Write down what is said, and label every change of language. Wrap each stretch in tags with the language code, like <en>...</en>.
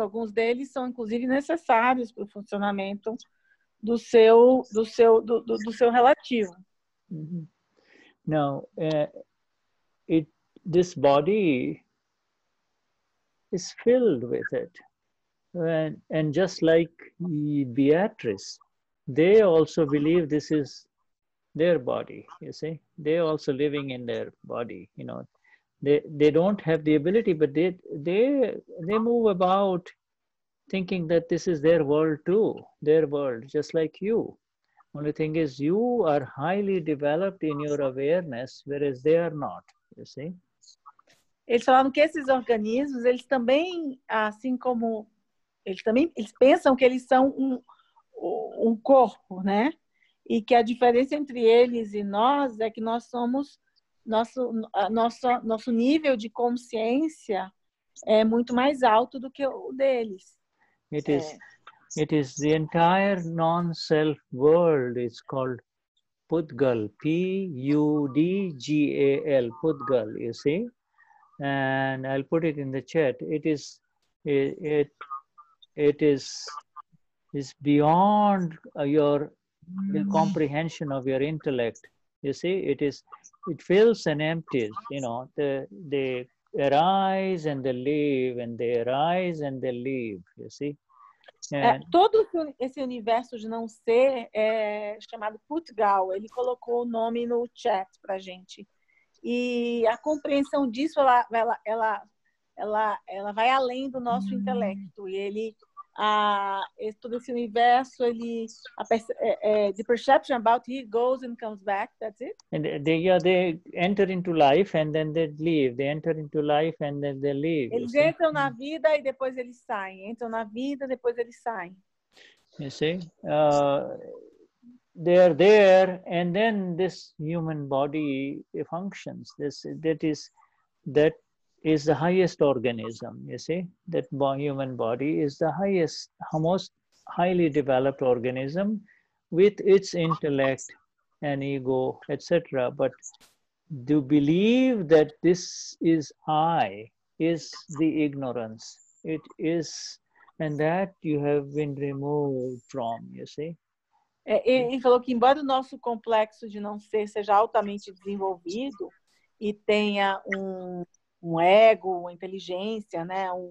<pt>Alguns deles são inclusive necessários para o funcionamento do seu relativo. Mm-hmm.</pt> <en>Now, this body is filled with it, and just like Beatrice, they also believe this is their body. You see, they also living in their body. You know. They don't have the ability, but they move about thinking that this is their world too, their world, just like you. Only thing is you are highly developed in your awareness, whereas they are not, you see?</en> <pt>Eles falam que esses organismos, eles também, assim como, eles pensam que eles são um corpo, né? E que a diferença entre eles e nós é que nós somos... Nosso nível de consciência é muito mais alto do que o deles.</pt> <en>It is the entire non-self world. It's called Pudgal. P-U-D-G-A-L. Pudgal, you see? And I'll put it in the chat. It is beyond your the comprehension of your intellect. You see, it fills and empties, you know, they arise and they leave, and they arise and they leave, you see.</en> <pt>Todo esse universo de não ser é chamado Putgal, ele colocou o nome no chat pra gente. E a compreensão disso, ela vai além do nosso intelecto, e ele... todo esse universo,</pt> <en>the perception about he goes and comes back, that's it? And they enter into life and then they leave. They enter into life and then they leave.</en> <pt>Eles entram na vida e depois eles saem. Entram na vida e depois eles saem.</pt> <en>You see? They are there and then this human body functions. That is the highest organism, you see? That human body is the highest, most highly developed organism with its intellect and ego, etc. But to believe that this is I is the ignorance. It is, and that you have been removed from, you see?</en> <pt>Ele falou que embora o nosso complexo de não ser seja altamente desenvolvido e tenha um ego, uma inteligência, né?</pt>